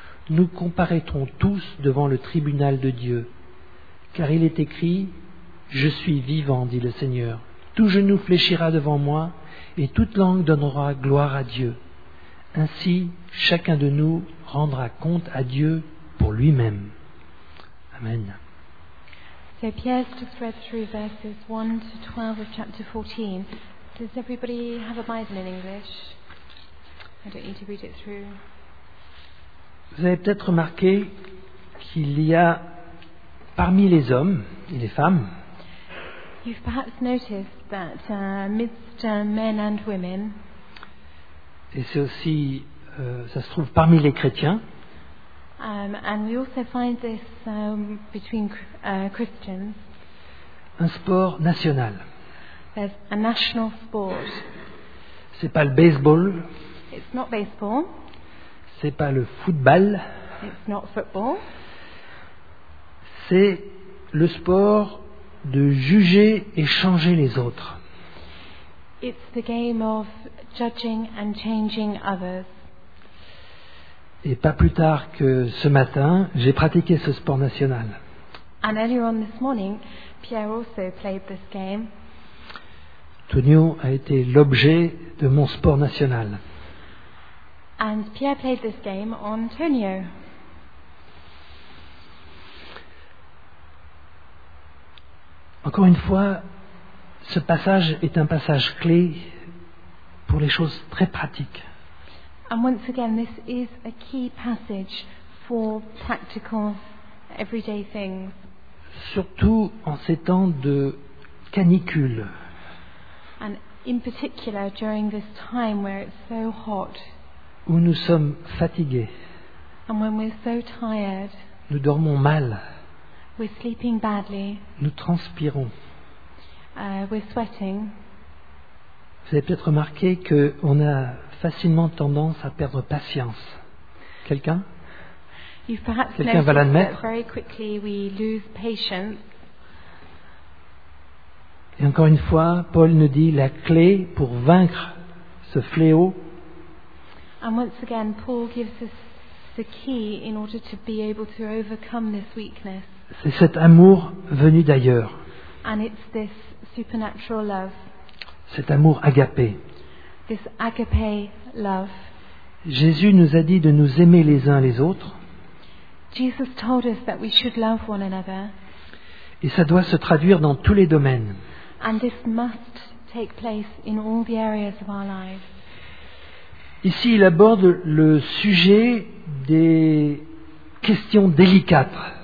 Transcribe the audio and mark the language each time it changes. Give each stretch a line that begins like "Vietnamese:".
French: Nous comparaîtrons tous devant le tribunal de Dieu. Car il est écrit, « Je suis vivant, dit le Seigneur. Tout genou fléchira devant moi, et toute langue donnera gloire à Dieu. Ainsi, chacun de nous rendra compte à Dieu pour lui-même. » Amen.
English: So Pierre just read through verses 1 to 12 of chapter 14. Does everybody have a Bible in English? I don't need to read it through.
French: Vous avez peut-être remarqué qu'il y a parmi les hommes et les femmes,
English: you've perhaps noticed that amidst men and women,
French: et c'est aussi ça se trouve parmi les chrétiens,
English: and we also find this between Christians,
French: un sport national.
English: There's a national sport.
French: C'est pas le baseball.
English: It's not baseball.
French: C'est pas le football.
English: It's not football.
French: C'est le sport de juger et changer les autres.
English: It's the game of judging and changing others.
French: Et pas plus tard que ce matin, j'ai pratiqué ce sport national.
English: And earlier on this morning, Pierre also played this game.
French: Tonio a été l'objet de mon sport national.
English: And Pierre played this game on Tonio.
French: Encore une fois, ce passage est un passage clé pour les choses très pratiques.
English: And once again, this is a key passage for practical, everyday things.
French: Surtout en ces temps de canicule.
English: And in particular during this time where it's so hot.
French: Où nous sommes fatigués.
English: And when we're so tired.
French: Nous dormons mal.
English: We're sleeping badly.
French: Nous transpirons.
English: We're sweating.
French: Vous avez peut-être remarqué qu'on a facilement tendance à perdre patience. Quelqu'un? Quelqu'un va l'admettre?
English: Very quickly we lose patience.
French: Et encore une fois, Paul nous dit la clé pour vaincre ce fléau.
English: And once again, Paul gives us the key in order to be able to overcome this weakness.
French: C'est cet amour venu d'ailleurs.
English: And it's this supernatural love.
French: Cet amour agapé.
English: This agape love.
French: Jésus nous a dit de nous aimer les uns les autres.
English: Jesus told us that we should love one another.
French: Et ça doit se traduire dans tous les domaines.
English: And this must take place in all the areas of our lives.
French: Ici, il aborde le sujet des questions délicates.